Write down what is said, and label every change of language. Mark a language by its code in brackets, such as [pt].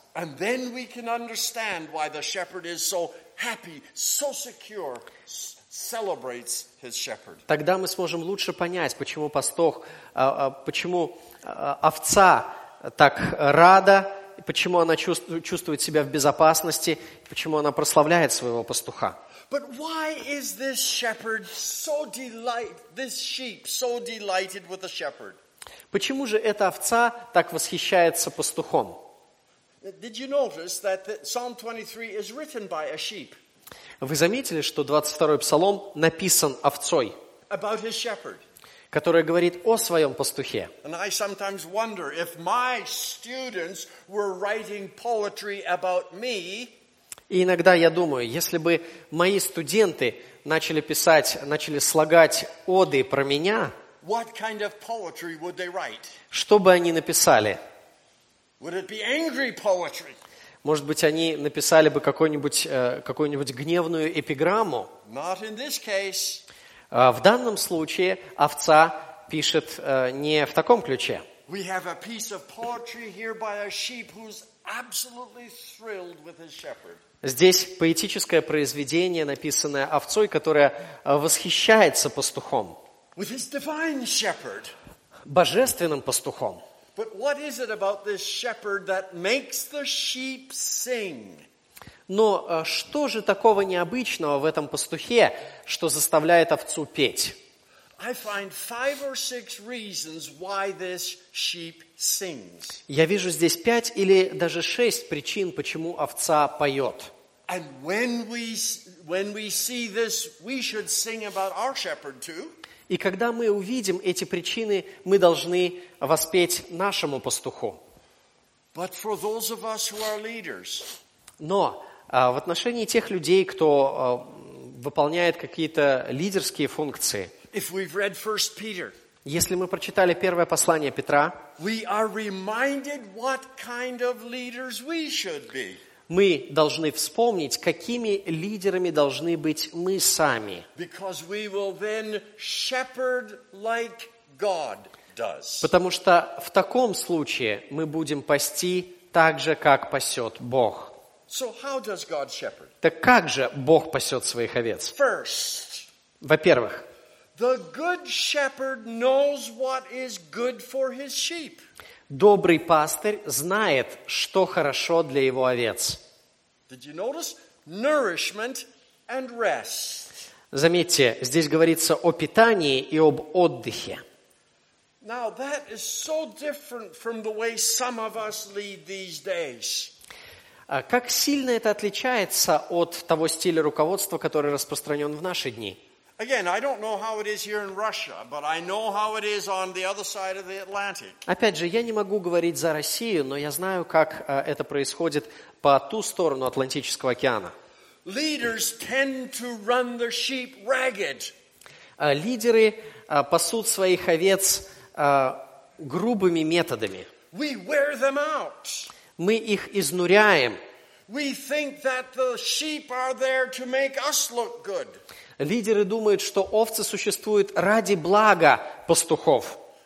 [en] and then we can understand why the shepherd is so happy, so secure, celebrates his shepherd. [ru] Тогда мы сможем лучше понять, почему пастух, почему овца так рада, почему она чувствует себя в безопасности, почему она прославляет своего пастуха. [en] But why is this shepherd so this sheep so delighted with the shepherd? [ru] Почему же эта овца так восхищается пастухом? [en] Did you notice that Psalm 23 is written by a sheep? [ru] Вы заметили, что 22-й псалом написан овцой, [en] about his shepherd, [ru] которая говорит о своем пастухе. [en] And I sometimes wonder if my students were writing poetry about me. [ru] И иногда я думаю, если бы мои студенты начали писать, начали слагать оды про меня, [en] what kind of poetry would they write? [ru] Что бы они написали? [en] Would it be angry poetry? [ru] Может быть, они написали бы какую-нибудь гневную эпиграмму? [en] Not in this case. [ru] В данном случае овца пишет не в таком ключе. [en] We have a piece of poetry here by a sheep who's absolutely thrilled with his shepherd. [ru] Здесь поэтическое произведение, написанное овцой, которая восхищается пастухом. [en] With his divine shepherd. [ru] Божественным пастухом. [en] But what is it about this shepherd that makes the sheep sing? [ru] Но что же такого необычного в этом пастухе, что заставляет овцу петь? [en] I find five or six reasons why this sheep sings. [ru] Я вижу здесь пять или даже шесть причин, почему овца поет. [en] And when we see this, we should sing about our shepherd too. [ru] И когда мы увидим эти причины, мы должны воспеть нашему пастуху. [en] But for those of us who are leaders, [ru] но в отношении тех людей, кто выполняет какие-то лидерские функции, [en] if we've read First Peter, [ru] если мы прочитали первое послание Петра, [en] we are reminded what kind of leaders we should be. [ru] Мы должны вспомнить, какими лидерами должны быть мы сами. [en] Because we will then shepherd like God does. [ru] Потому что в таком случае мы будем пасти так же, как пасет Бог. [en] So how does God shepherd? [ru] Так как же Бог пасет своих овец? [en] First, [ru] во-первых, [en] the good shepherd knows what is good for his sheep. [ru] Добрый пастырь знает, что хорошо для его овец. [en] Did you notice? Nourishment and rest. [ru] Заметьте, здесь говорится о питании и об отдыхе. [en] Now that is so different from the way some of us lead these days. [ru] Как сильно это отличается от того стиля руководства, который распространен в наши дни? [en] Again, I don't know how it is here in Russia, but I know how it is on the other side of the Atlantic. [ru] Опять же, я не могу говорить за Россию, но я знаю, как это происходит по ту сторону Атлантического океана. [en] Leaders tend to run the sheep ragged. [ru] Лидеры пасут своих овец грубыми методами. [en] We wear them out. [ru] Мы их изнуряем. [en] We think that the sheep are there to make us look good. [ru] Лидеры думают, что овцы существуют ради блага пастухов.